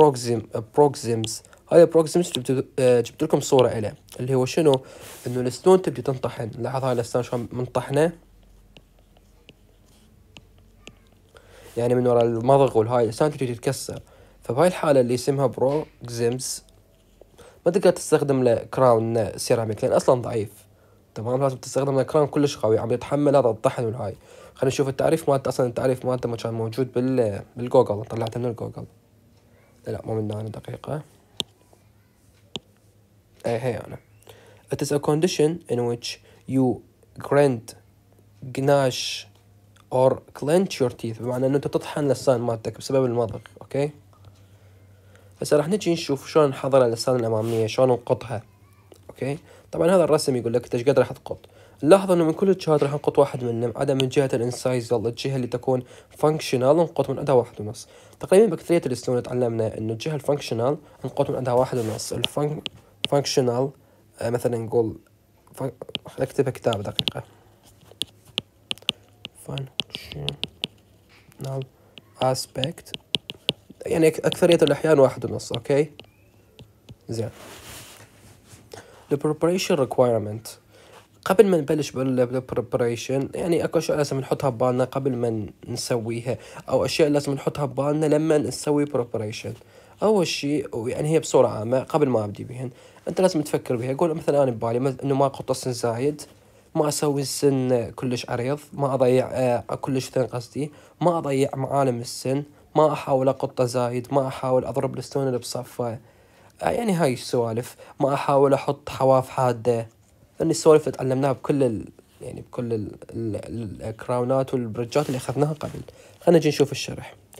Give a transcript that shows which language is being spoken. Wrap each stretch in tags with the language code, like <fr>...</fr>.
<ar>والبروكزيمز، هاي البروكزيمز جبت لكم صورة إله اللي هو شنو؟ إنه الأسنان تبدي تنطحن، لاحظ هاي الأسنان شلون منطحنة يعني من وراء المضغ، والهاي الأسنان تبدي تتكسر، فبهاي الحالة اللي اسمها بروكزيمز ما تقدر تستخدم له كراون سيراميك لأن أصلا ضعيف، تمام، لازم تستخدم له كراون كلش قوي عم يتحمل هذا الطحن. والهاي خلينا نشوف التعريف مالته، أصلا التعريف مالته ما كان موجود بالجوجل، طلعته من الجوجل، لا مو من هنا، دقيقة، أي هي أنا.</ar> <en>It is a condition in which you grind, gnash or clench your teeth،</en> <ar>بمعنى انه انت تطحن لسان مالتك بسبب المضغ. اوكي، هسه راح نجي نشوف شلون نحضر اللسان الاماميه، شلون نقطها. اوكي، طبعا هذا الرسم يقول لك انت ايش قد راح تقط، لاحظ انه من كل الجهات راح نقط واحد منهم، عدا من جهه الانسايز الجهه اللي تكون فانكشنال نقط من عندها واحد ونص، تقريبا بكثريه الاسنان تعلمنا انه الجهه الفانكشنال نقط من عندها واحد ونص، الفانكشنال مثلا نقول اكتبها كتاب دقيقه</ar> <en>functional aspect،</en> <ar>يعني أكثرية الأحيان واحد ونص. أوكي زين،</ar> <en>the preparation requirement،</en> <ar>قبل ما نبلش بالبريبريشن يعني اكو اشياء لازم نحطها ببالنا قبل ما نسويها او اشياء لازم نحطها ببالنا لما نسوي بريبريشن. اول شيء يعني هي بصوره عامه قبل ما ابدي بهن انت لازم تفكر بها. قول مثلا انا ببالي انه ما اقطع سن زايد، ما اسوي السن كلش عريض، ما اضيع كلش ثين قصدي، ما اضيع معالم السن، ما احاول اقطع زايد، ما احاول اضرب الستون اللي بصفه، يعني هاي السوالف، ما احاول احط حواف حاده، لان السوالف تعلمناها بكل ال يعني بكل الكراونات والبرجات اللي اخذناها قبل. خلينا نجي نشوف الشرح.</ar>